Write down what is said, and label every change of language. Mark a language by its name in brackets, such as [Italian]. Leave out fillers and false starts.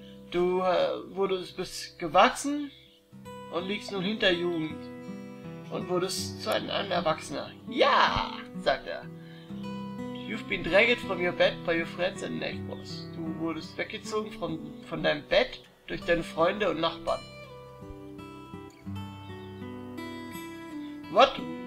[German] Du bist gewachsen und liegst nun hinter Jugend und wurdest zu einem Erwachsener. Ja, sagt er. [English] You've been dragged from your bed by your friends and neighbors. [German] Du wurdest weggezogen von deinem Bett durch deine Freunde und Nachbarn. [English] What?